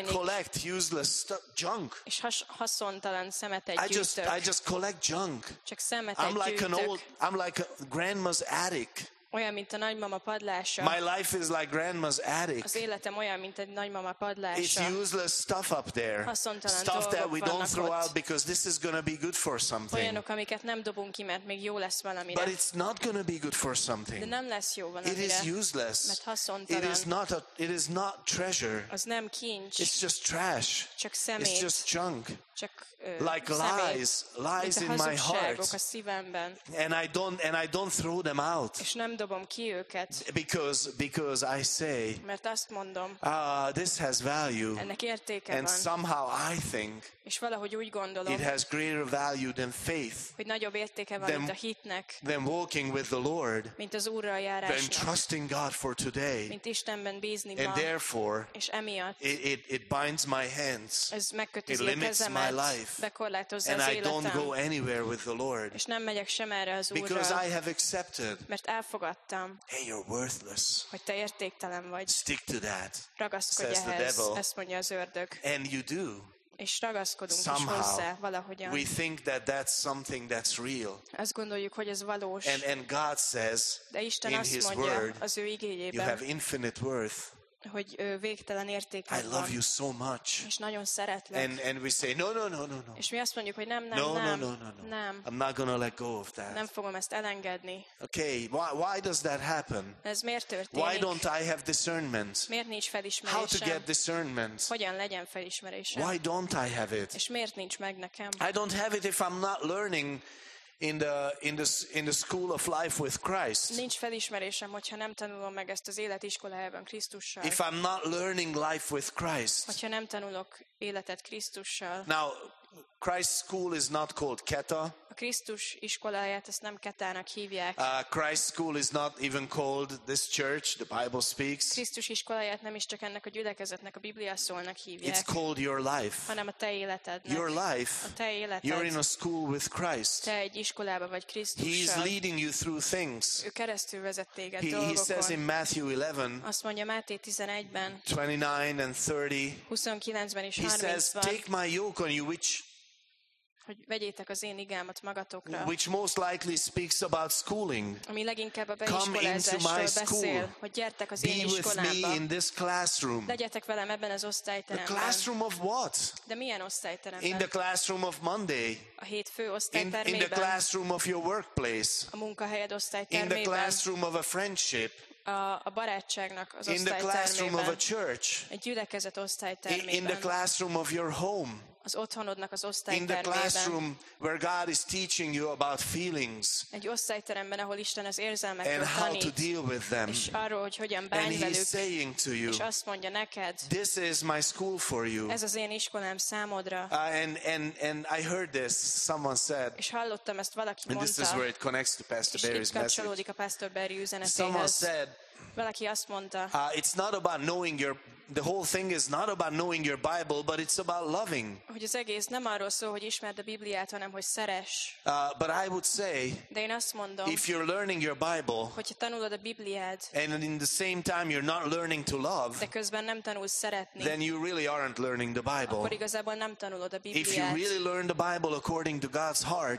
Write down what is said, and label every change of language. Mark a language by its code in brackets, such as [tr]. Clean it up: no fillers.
[en] And I collect useless junk. [hu] És haszontalan szemetet gyűjtök. [en] I just collect junk. [hu] Csak szemetet gyűjtök. [en] I'm like grandma's attic. [hu] Olyan, mint a nagymama padlása. [en] My life is like grandma's attic. [hu] Az életem olyan, mint egy nagymama padlása. [en] It's useless stuff up there. [hu] Haszontalan [en] stuff that we don't throw [hu] ott. [en] Out because this is going to be good for something. [hu] Olyanok, amiket nem dobunk ki, mert még jó lesz valamire. [en] But it's not going to be good for something. [hu] De nem lesz jó valamire. [en] It is useless. [hu] Mert haszontalan. [en] It is not treasure. [hu] Az nem kincs. [en] It's just trash. [hu] Csak szemét. [en] It's just junk. [hu] Csak, [en] like lies in my heart. And I don't throw them out. [hu] És nem dobom ki őket. [en] Because I say, [hu] mert azt mondom, [en] this has value. [hu] Ennek értéke [en] and [hu] van. [en] Somehow I think, [hu] és valahogy úgy gondolom, [en] it has greater value than faith. [hu] Hogy nagyobb értéke van, mint a hitnek. [en] Than walking with the Lord. [hu] Mint az Úrral járásnak. [en] Than trusting God for today. [hu] Mint Istenben bízni [en] and [hu] ma. [en] Therefore, [hu] és emiatt, [en] it binds my hands. [hu] Ez megkötözi [en] it limits my life. And I don't go anywhere with the Lord. [hu] És nem megyek sem erre az Úrral. [en] Because I have accepted. [hu] Mert elfogadtam. [en] Hey, you're worthless. [hu] Hogy te értéktelen vagy. [en] Stick to that. [hu] Ragaszkodj ehhez. [en] Says the devil. [hu] Ezt mondja az ördög. [en] And you do. [hu] És ragaszkodunk [en] somehow, [hu] is hozzá valahogyan. [en] We think that that's something that's real. [hu] Azt gondoljuk, hogy ez valós. [en] And God says [hu] de Isten [en] in [hu] azt [en] his [hu] mondja, [en] word, [hu] az ő igényében, [en] you have infinite worth. [hu] Hogy végtelen értéket van. [en] I love you so much. [hu] És nagyon szeretlek. [en] And we say no. [hu] És mi azt mondjuk, hogy nem. [en] No. I'm not gonna let go of that. [hu] Nem fogom ezt elengedni. [en] Okay, why does that happen? [hu] Ez miért történik? [en] Why don't I have discernment? [hu] Miért nincs felismerésem? [en] How to get discernment? [hu] Hogyan legyen felismerésem? [en] Why don't I have it? [hu] És miért nincs meg nekem? [en] I don't have it if I'm not learning in the school of life with Christ. [hu] Nincs felismerésem, hogyha nem tanulom meg ezt az életiskolájában Krisztussal. [en] If I'm not learning life with Christ. [hu] Hogyha nem tanulok életet Krisztussal. [en] Now, Christ's school is not called Keta. [hu] A Krisztus iskoláját ezt nem Ketának hívják. [en] Christ's school is not even called this church. The Bible speaks. [hu] Krisztus iskoláját nem is csak ennek a gyülekezetnek a Biblia szólnak hívják. [en] It's called your life. [hu] Hanem a te életednek. [en] Your life. [hu] A te életed. [en] You're in a school with Christ. [hu] Te egy iskolába vagy Krisztussal. [en] He is leading you through things. [hu] Ő keresztül vezet téged dolgokon. [en] He says in Matthew 11. [hu] Azt mondja Máté 11-ben. [en] 29 and 30. [hu] 29-ben és 30-ban. [en] He says, take my yoke on you, which [hu] hogy vegyétek az én igámat magatokra. [en] Which most likely speaks about schooling. [hu] Ami leginkább a beiskolázásról beszél, hogy gyertek az be én iskolámba. [en] Be with me in this classroom. [hu] Legyetek velem ebben az osztályteremben. [en] The classroom of what? [hu] De milyen osztályteremben? [en] In the classroom of Monday. [hu] A hétfő osztálytermében. [en] In the classroom of your workplace. [hu] A munkahelyed osztálytermében. [en] In the classroom of a friendship. [hu] A barátságnak az osztálytermében. [en] In the classroom of a church. [hu] Egy gyülekezet osztálytermében. [en] In the classroom of your home. [hu] Az otthonodnak az osztálytermében. [en] In the classroom where God is teaching you about feelings. [hu] Egy osztályteremben, ahol Isten az érzelmekről tanít. [en] And how to deal with them. [hu] És arról, hogy hogyan bánj velük. [en] And he's saying to you. [hu] És azt mondja neked. [en] This is my school for you. [hu] Ez az én iskolám számodra. [en] And I heard this. Someone said. [hu] És hallottam ezt valaki mondta. [en] And this is where it connects to Pastor Barry's message. [hu] És itt kapcsolódik a Pastor Barry üzenetéhez. [en] Someone said. [hu] Valaki azt mondta. [en] It's not about knowing your the whole thing is not about knowing your Bible, but it's about loving. [hu] Hogy az egész nem arról szól, hogy ismerd a Bibliát, hanem hogy szeress. [en] But I would say, [hu] de én azt mondom, [en] if you're learning your Bible, [hu] hogyha tanulod a Bibliát, [en] and in the same time you're not learning to love, [hu] de közben nem tanulsz szeretni, [en] then you really aren't learning the Bible. [hu] Akkor igazából nem tanulod a Bibliát. [en] If you really learn the Bible according to God's heart,